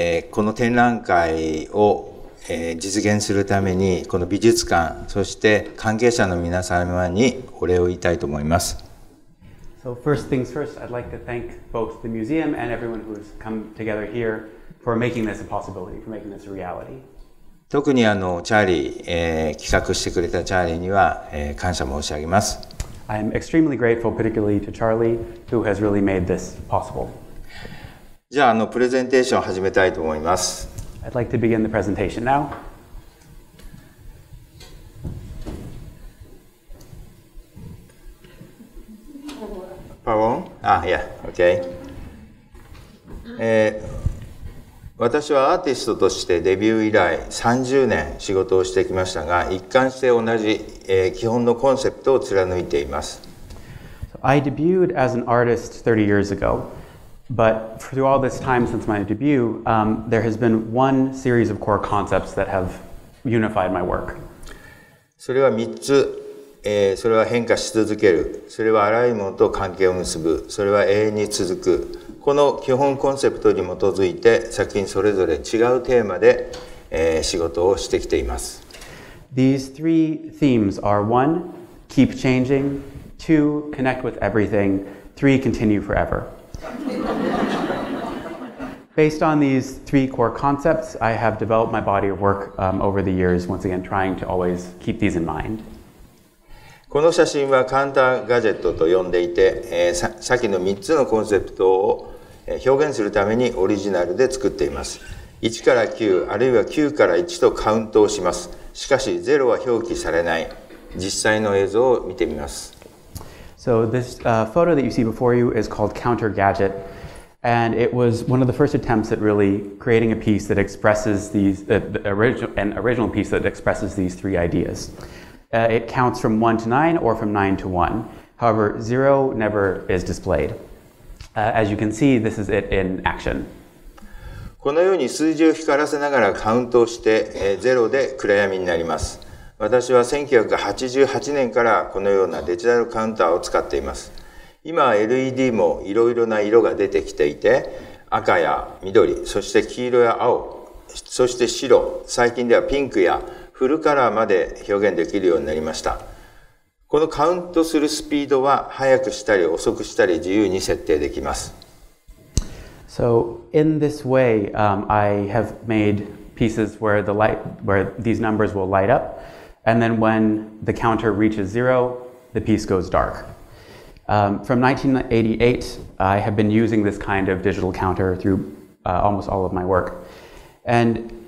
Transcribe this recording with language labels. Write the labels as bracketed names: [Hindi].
[Japanese] この展覧会を実現するためにこの美術館そして関係者の皆様にお礼を言いたいと思います。 [English] So first things first, I'd like to thank both the museum and everyone who has come together here for making this a possibility, for making this a reality. [Japanese] 特にチャーリー、企画してくれたチャーリーには、感謝申し上げます。 [English] I'm extremely grateful particularly to Charlie who has really made this possible. [Japanese] じゃあプレゼンテーションを始めたいと思います。 [English] I'd like to begin the presentation now. Pardon? Ah, yeah, okay. [Japanese] 私はアーティストとしてデビュー以来30年仕事をしてきましたが、一貫して同じ、基本のコンセプトを貫いています。 [English] So、I debuted as an artist 30 years ago, but through all this time since my debut,、there has been one series of core concepts that have unified my work. [Japanese] それは3つ、それは変化し続ける、それは荒いものと関係を結ぶ、それは永遠に続く。この基本コンセプトに基づいて作品それぞれ違うテーマで、仕事をしてきています。 [English] These three themes are 1. Keep changing 2. Connect with everything 3. Continue forever. Based on these three core concepts, I have developed my body of work、over the years, once again trying to always keep these in mind. [Japanese] この写真はカウンターガジェットと呼んでいて、先の3つのコンセプトを表現するためにオリジナルで作っています。 1から9、あるいは9から1とカウントをします。しかし0は表記されない。実際の映像を見てみます。 [English] So this、photo that you see before you is called Counter Gadget. And it was one of the first attempts at really creating a piece that expresses these, an original piece that expresses these three ideas. It counts from 1 to 9 or from 9 to 1. However, 0 never is displayed. As you can see, this is it in action. [Japanese] このように数字を光らせながらカウントして、0で暗闇になります。私は1988年からこのようなデジタルカウンターを使っています。今は LED もいろいろな色が出てきていて、赤や緑、そして黄色や青、そして白、最近ではピンクやフルカラーまで表現できるようになりました。このカウントするスピードは速くしたり遅くしたり自由に設定できます。 [English] So in this way,、I have made pieces where the light, where these numbers will light up, and then when the counter reaches zero, the piece goes dark.、from 1988, I have been using this kind of digital counter through、almost all of my work, and.